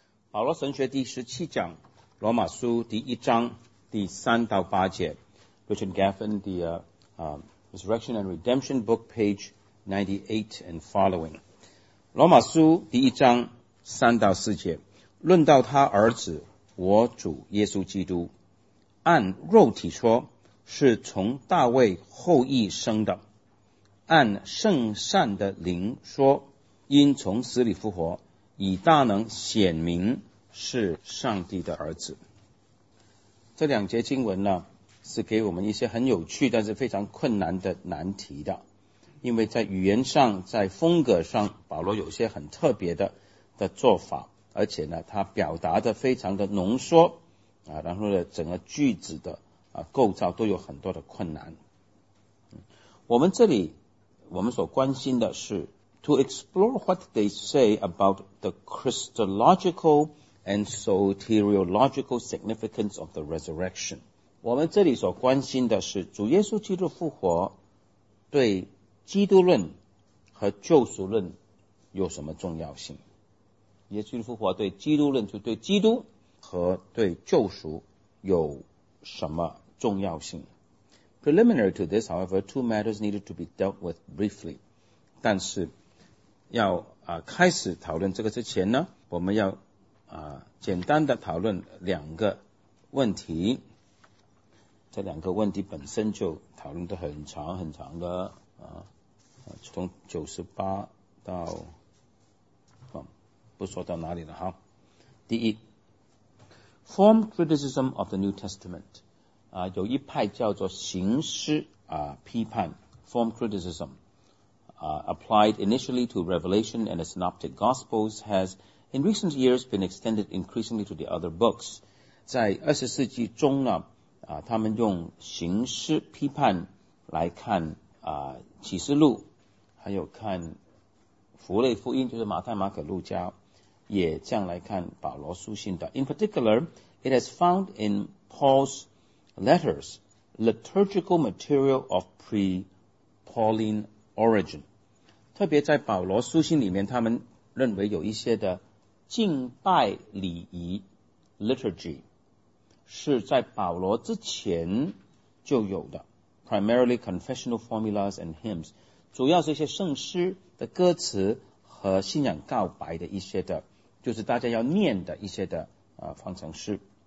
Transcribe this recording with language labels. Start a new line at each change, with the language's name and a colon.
Chinese: 保罗神学第十七讲，罗马书第一章第三到八节。
English: Richard Gaffin, the Resurrection and Redemption book, page 98 and following.
Chinese: 罗马书第一章三到四节，论到他儿子，我主耶稣基督，按肉体说，是从大卫后裔生的，按圣善的灵说，因从死里复活，以大能显明是上帝的儿子。这两节经文呢，是给我们一些很有趣但是非常困难的难题的，因为在语言上，在风格上，保罗有些很特别的做法，而且呢，他表达的非常的浓缩啊，然后呢，整个句子的构造都有很多的困难。我们这里我们所关心的是
English: To explore what they say about the Christological and soteriological significance of the resurrection.
Chinese: 我们这里所关心的是主耶稣基督复活对基督论和救赎论有什么重要性。耶稣基督复活对基督论，就对基督和对救赎有什么重要性。
English: Preliminary to this, however, two matters needed to be dealt with briefly.
Chinese: 但是要开始讨论这个之前呢，我们要简单的讨论两个问题。这两个问题本身就讨论得很长很长的从98到不说到哪里了哈。第一
English: ,form criticism of the New Testament,
Chinese: 有一派叫做形式批判
English: ,form criticism,applied initially to Revelation and the Synoptic Gospels, has in recent years been extended increasingly to the other books.
Chinese: 在二十世纪中呢，他们用形式批判来看启示录，还有看福类福音，就是马太、马可、路加，也这样来看保罗书信的。
English: In particular, it has found in Paul's letters liturgical material of pre-Pauline origin.
Chinese: 特别在保罗书信里面，他们认为有一些的敬拜礼仪 liturgy 是在保罗之前就有的
English: primarily confessional formulas and hymns
Chinese: 主要是一些圣诗的歌词和信仰告白的一些的就是大家要念的一些的方程式